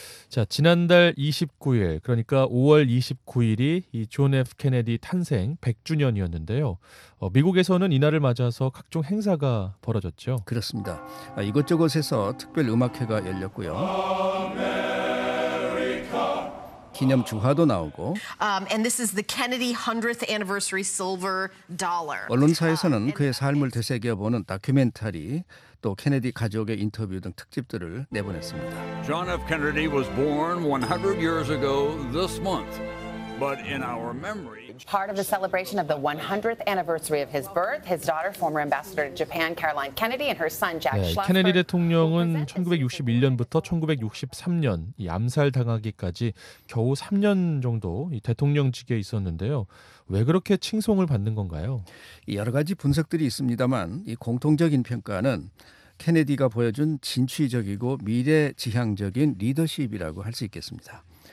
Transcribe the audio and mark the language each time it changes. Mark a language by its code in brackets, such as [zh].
[ko] 자, 지난달 29일, 그러니까 5월 29일이 이 존 F. 케네디 탄생 100주년이었는데요. 미국에서는 이날을 맞아서 각종 행사가 벌어졌죠. 그렇습니다. 이곳저곳에서 특별 음악회가 열렸고요. 기념 주화도 나오고 [en] and this is the Kennedy 100th anniversary silver dollar. [ko] 언론사에서는 그의 삶을 되새겨보는 다큐멘터리 또 케네디 가족의 인터뷰 등 특집들을 내보냈습니다. [en] John F. Kennedy was born 100 years ago this month. But in our memory, part of the celebration of the 100th anniversary of his birth, his daughter, former ambassador to Japan, Caroline Kennedy, and her son, Jack Schlossberg. [ko] 케네디 대통령은 1961년부터 1963년 이 암살 당하기까지 겨우 3년 정도 이 대통령직에 있었는데요. 왜 그렇게 칭송을 받는 건가요? 여러 가지 분석들이 있습니다만, 이 공통적인 평가는 케네디가 보여준 진취적이고 미래지향적인 리더십이라고 할 수 있겠습니다.